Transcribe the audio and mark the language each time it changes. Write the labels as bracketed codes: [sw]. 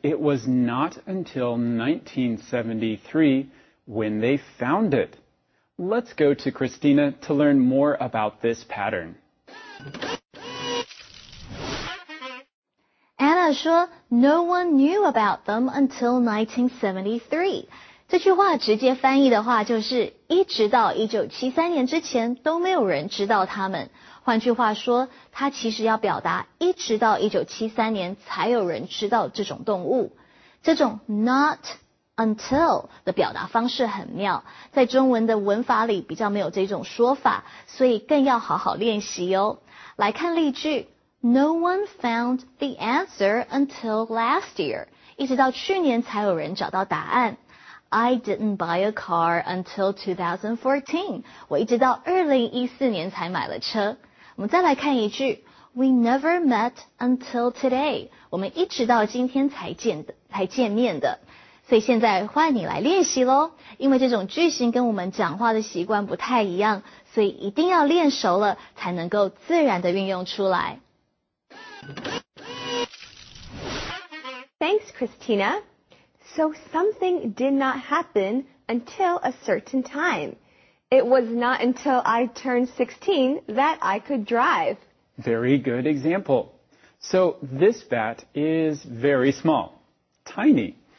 [en] It was not until 1973 when they found it. Let's go to Christina to learn more about this pattern. Anna [zh] 说, [en] no one knew about them until 1973. [zh] 这句话直接翻译的话就是一直到1973年之前都没有人知道他们。换句话说，他其实要表达一直到1973年才有人知道这种动物。这种 not until 的表达方式很妙，在中文的文法里比较没有这种说法，所以更要好好练习哦。来看例句， [en] No one found the answer until last year. [zh] 一直到去年才有人找到答案。 [en] I didn't buy a car until 2014. [zh] 我一直到2014年才买了车。我们再来看一句。 [en] We never met until today. [zh] 我们一直到今天才见面的。所以现在换你来练习咯。因为这种句型跟我们讲话的习惯不太一样，所以一定要练熟了才能够自然的运用出来。 [en] Thanks, Christina. So something did not happen until a certain time. It was not until I turned 16 that I could drive. Very good example. So this bat is very small, tiny.